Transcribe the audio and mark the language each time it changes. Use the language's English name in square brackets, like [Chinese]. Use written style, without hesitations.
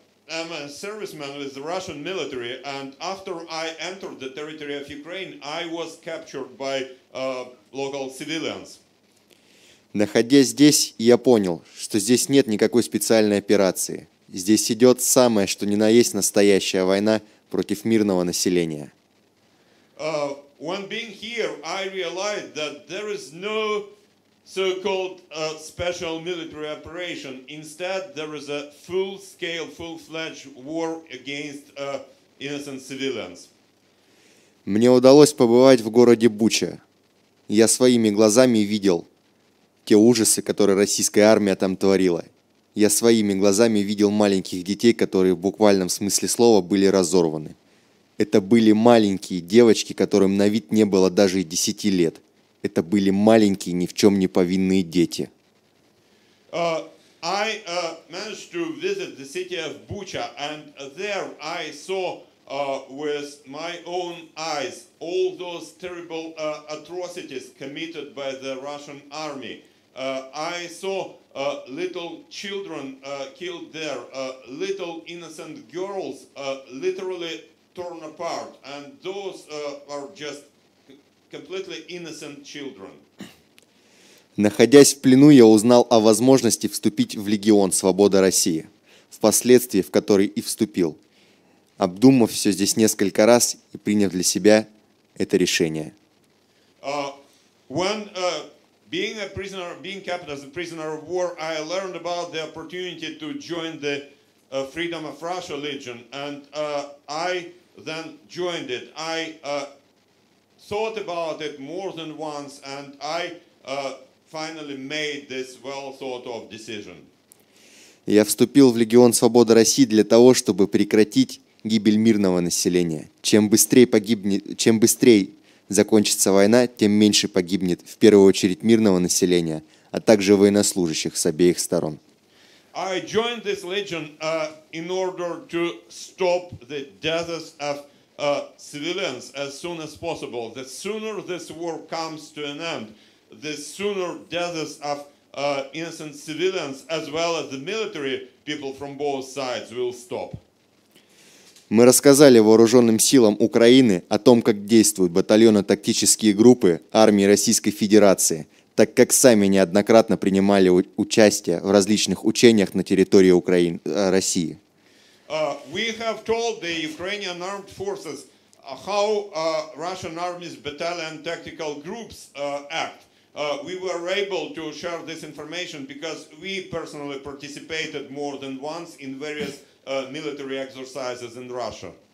[English] I'm a serviceman with the Russian military, and after I entered the territory of Ukraine, I was captured by local civilians. [Russian] Находясь здесь, я понял, что здесь нет никакой специальной операции. Здесь идет самое, что ни на есть, настоящая война против мирного населения. [English] When being here, I realized that there is no so-called special military operation. Instead, there is a full-scale, full-fledged war against innocent civilians. [Russian] Мне удалось побывать в городе Буча. Я своими глазами видел те ужасы, которые российская армия там творила. Я своими глазами видел маленьких детей, которые в буквальном смысле слова были разорваны. Это были маленькие девочки, которым на вид не было даже 10 лет. Это были маленькие, ни в чем не повинные дети. [English] I managed to visit the city of Bucha, and there I saw with my own eyes all those terrible atrocities committed by the Russian army. I saw little children killed there, little innocent girls literally torn apart, and those are just completely innocent children. [Russian] Находясь в плену, я узнал о возможности вступить в Легион Свобода России, впоследствии в который и вступил, обдумав все здесь несколько раз и приняв для себя это решение. [English] When being a prisoner, being kept as a prisoner of war, I learned about the opportunity to join the Freedom of Russia Legion, and I then joined it. I thought about it more than once, and I finally made this well-thought-of decision. [Russian] Я вступил в Легион Свободы России для того, чтобы прекратить гибель мирного населения. Чем быстрее закончится война, тем меньше погибнет, в первую очередь, мирного населения, а также военнослужащих с обеих сторон. [English] I joined this legion in order to stop the deaths of civilians as soon as possible. The sooner this war comes to an end, the sooner deaths of innocent civilians as well as the military people from both sides will stop. [Russian] Мы рассказали вооруженным силам Украины о том, как действуют батальонно-тактические группы армии Российской Федерации, так как сами неоднократно принимали участие в различных учениях на территории Украины, России. [English] We have told the Ukrainian armed forces how Russian army's battalion tactical groups act. We were able to share this information because we personally participated more than once in various military exercises in Russia.